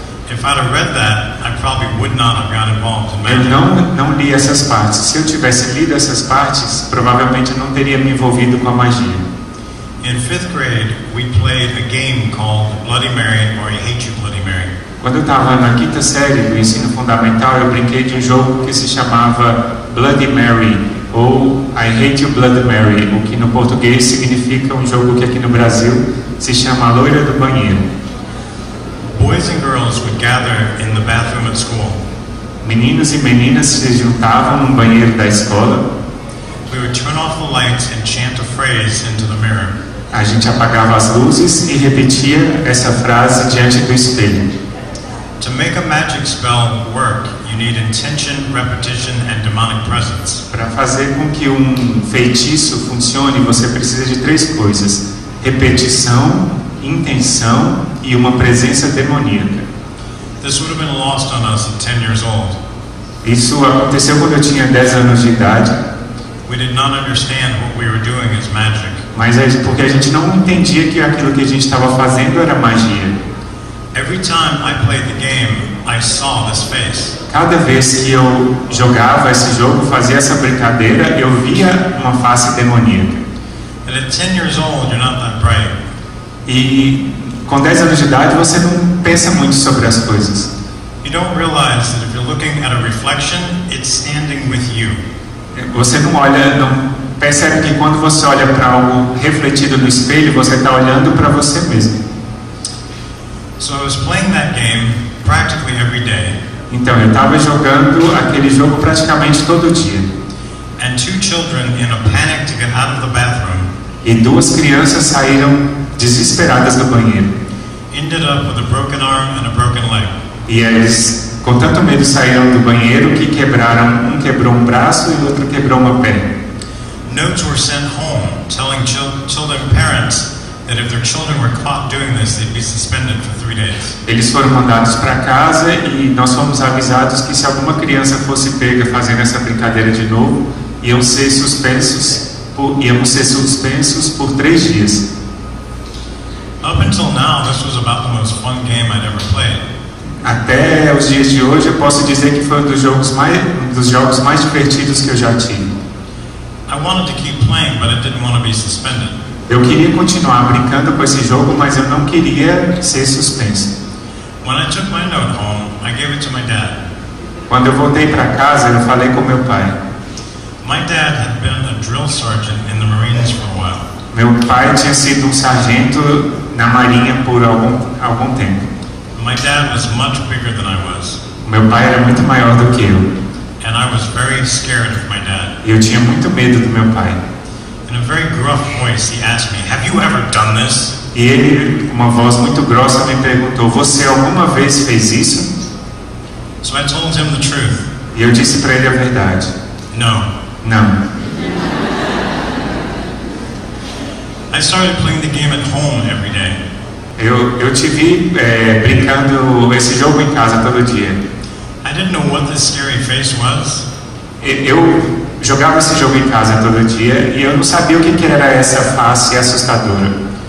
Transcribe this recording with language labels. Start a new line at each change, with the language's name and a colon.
English: If I'd have read that, I probably would not have gotten involved in magic.
Portuguese: Eu não li essas partes. Se eu tivesse lido essas partes, provavelmente não teria me envolvido com a magia.
English: In fifth grade, we played a game called Bloody Mary or I Hate You Bloody Mary.
Portuguese: Quando eu estava na quinta série do ensino fundamental, eu brinquei de um jogo que se chamava Bloody Mary ou I Hate You Bloody Mary, o que no português significa um jogo que aqui no Brasil se chama a loira do banheiro.
English: Boys and girls would gather in the bathroom at school.
Portuguese: Meninos e meninas se juntavam no banheiro da escola.
English: We would turn off the lights and chant a phrase into the mirror.
Portuguese: A gente apagava as luzes e repetia essa frase diante do espelho.
English: To make a magic spell work, you need intention, repetition, and demonic presence.
Portuguese: Para fazer com que um feitiço funcione, você precisa de 3 coisas: repetição, intenção e uma presença demoníaca.
English: This would have been lost on us at 10 years old.
Portuguese: Isso aconteceu quando eu tinha 10 anos de idade.
English: We did not understand what we were doing as magic.
Portuguese: Mas é porque a gente não entendia que aquilo que a gente estava fazendo era magia.
English: Every time I played the game, I saw this face.
Portuguese: Cada vez que eu jogava esse jogo, fazia essa brincadeira, eu via uma face demoníaca.
English: And at 10 years old, you're not that bright.
Portuguese: E com 10 anos de idade, você não pensa muito sobre as coisas.
English: You don't realize that if you're looking at a reflection, it's standing with you.
Portuguese: Você não olha, não percebe que quando você olha para algo refletido no espelho, você está olhando para você mesmo.
English: So I was playing that game practically every day.
Portuguese: Então eu estava jogando aquele jogo praticamente todo dia.
English: And two children in a panic to get out of the bathroom.
Portuguese: E duas crianças saíram desesperadas do banheiro.
English: Ended up with a broken arm and a broken leg.
Portuguese: E eles, com tanto medo, saíram do banheiro que quebraram, um quebrou um braço e o outro quebrou uma perna.
English: Notes were sent home telling children parents that if their children were caught doing this, they'd be suspended for 3 days.
Portuguese: Eles foram mandados para casa e nós fomos avisados que se alguma criança fosse pega fazendo essa brincadeira de novo, iam ser suspensos por 3 dias.
English: Up until now, this was about the most fun game I'd ever played.
Portuguese: Até os dias de hoje, eu posso dizer que foi um dos jogos mais divertidos que eu já tive.
English: I wanted to keep playing, but I didn't want to be suspended.
Portuguese: Eu queria continuar brincando com esse jogo, mas eu não queria ser suspenso.
English: When I took my note home, I gave it to my dad.
Portuguese: Quando eu voltei para casa, eu falei com meu pai.
English: My dad had been a drill sergeant in the Marines for a while.
Portuguese: Meu pai tinha sido um sargento na Marinha por algum tempo.
English: My dad was much bigger than I was.
Portuguese: Meu pai era muito maior do que eu.
English: And I was very scared of my dad.
Portuguese: Eu tinha muito medo do meu pai.
English: In a very gruff voice, he asked me, "Have you ever done this?"
Portuguese: E ele, com uma voz muito grossa, me perguntou, "Você alguma vez fez isso?"
English: So I told him the truth.
Portuguese: E eu disse para ele a verdade.
English: No.
Portuguese: Não.
English: I started playing the game at home every day.
Portuguese: Eu tive brincando esse jogo em casa todo dia.
English: I didn't know what this scary face was.
Portuguese: Eu jogava esse jogo em casa todo dia e eu não sabia o que era essa face assustadora.